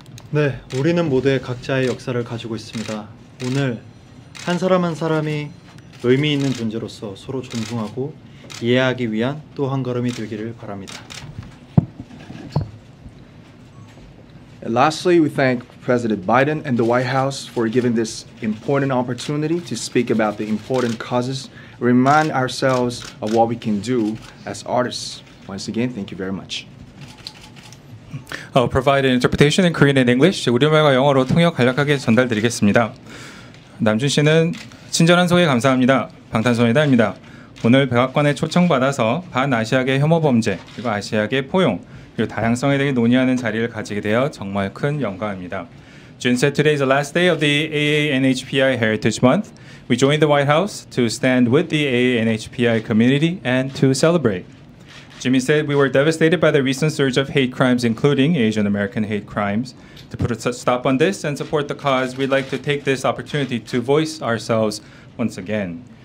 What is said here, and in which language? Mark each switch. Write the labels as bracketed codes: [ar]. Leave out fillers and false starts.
[ko] 네, 우리는 모두 각자의 역사를 가지고 있습니다. 오늘 한 사람 한 사람이 의미 있는 존재로서 서로 존중하고 이해하기 위한 또 한 걸음이 되기를 바랍니다. [en] Lastly, we thank President Biden and the White House for giving this important opportunity to speak about the important causes, remind ourselves of what we can do as artists. Once again, thank you very much. I'll provide an interpretation in Korean and English. [ko] 우리 음악과 영어로 통역 간략하게 전달드리겠습니다. 남준 씨는 친절한 소개 감사합니다. 방탄소년단입니다. 오늘 백악관에 초청받아서 반아시아계 혐오 범죄, 그리고 아시아계 포용, 그리고 다양성에 대해 논의하는 자리를 가지게 되어 정말 큰 영광입니다. [en] June said today is the last day of the AANHPI Heritage Month. We joined the White House to stand with the AANHPI community and to celebrate. Jimmy said we were devastated by the recent surge of hate crimes, including Asian American hate crimes. To put a stop on this and support the cause, we'd like to take this opportunity to voice ourselves once again.